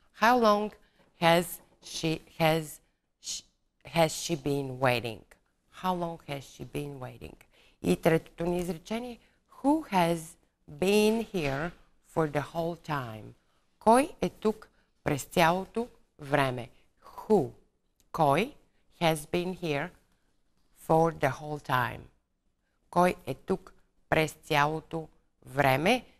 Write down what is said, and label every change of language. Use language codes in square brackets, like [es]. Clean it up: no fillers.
[en] How long has she been waiting? How long has she been waiting? [bg] И третото ни изречение, [en] who has been here for the whole time. [bg] Кой е тук през цялото време? [en] Who? Кой has been here for the whole time? [bg] Кой е тук през цялото време?